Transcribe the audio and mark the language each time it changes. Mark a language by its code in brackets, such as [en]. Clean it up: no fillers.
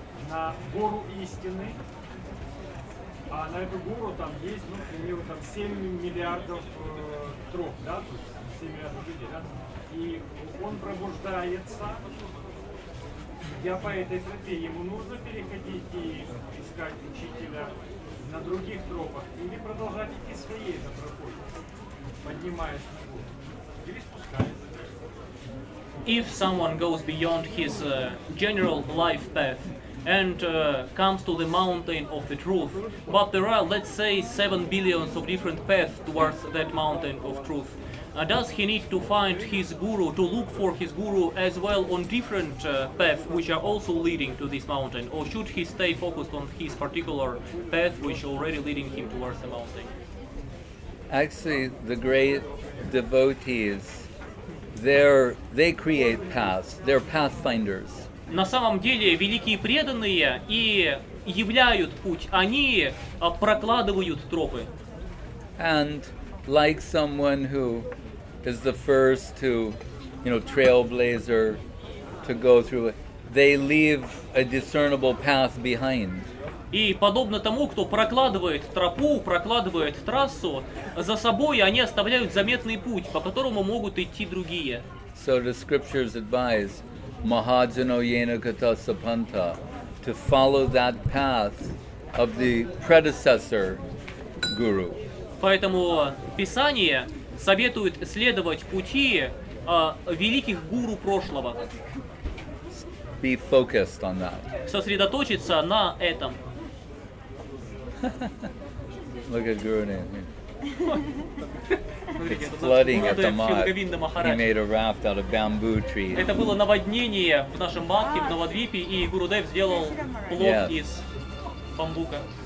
[ru] На гору истины, а на эту гору там есть, ну, к примеру, там 7 миллиардов троп, да, то есть 7 миллиардов людей, да, и он пробуждается, я по этой тропе, ему нужно переходить и искать учителя на других тропах, или продолжать идти своей же тропой, поднимаясь на гору, или спускаясь. [en] If someone goes beyond his general life path and comes to the mountain of the truth, but there are, let's say, 7 billion of different paths towards that mountain of truth, does he need to find his guru, to look for his guru as well on different paths which are also leading to this mountain, or should he stay focused on his particular path which is already leading him towards the mountain? Actually, the great devotees, they create paths, they're pathfinders. [ru] На самом деле, великие преданные и являют путь, они прокладывают тропы. [en] And like someone who is the first to, you know, trailblazer to go through it, they leave a discernible path behind. [ru] И подобно тому, кто прокладывает тропу, прокладывает трассу, за собой они оставляют заметный путь, по которому могут идти другие. [en] So the scriptures advise [sa] Mahajano Yena Gata Sapanta [en] to follow that path of the predecessor guru. [ru] Поэтому Писание советует следовать пути великих гуру прошлого. [en] Be focused on that. [ru] Сосредоточиться на этом. [en] Look at Guru Nanak. It's flooding at the Mahat. He made a raft out of bamboo trees. [ru] Это было наводнение в нашем Матхе, в Навадвипе, и Гурудев сделал плот из бамбука.